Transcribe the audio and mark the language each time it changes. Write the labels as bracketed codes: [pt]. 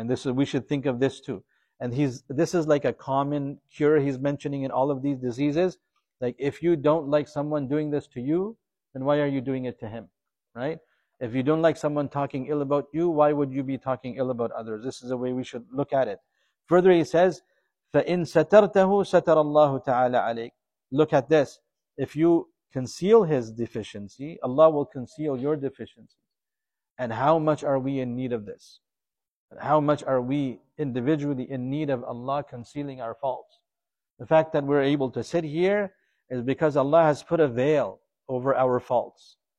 [en] And this is, we should think of this too. And this is like a common cure he's mentioning in all of these diseases. Like, if you don't like someone doing this to you, then why are you doing it to him? Right? If you don't like someone talking ill about you, why would you be talking ill about others? This is the way we should look at it. Further, he says, [ar] فَإِن سَتَرْتَهُ سَتَرَ اللَّهُ تَعَالَى عَلَيْكَ. [en] Look at this. If you conceal his deficiency, Allah will conceal your deficiency. And how much are we in need of this? How much are we individually in need of Allah concealing our faults? The fact that we're able to sit here is because Allah has put a veil over our faults.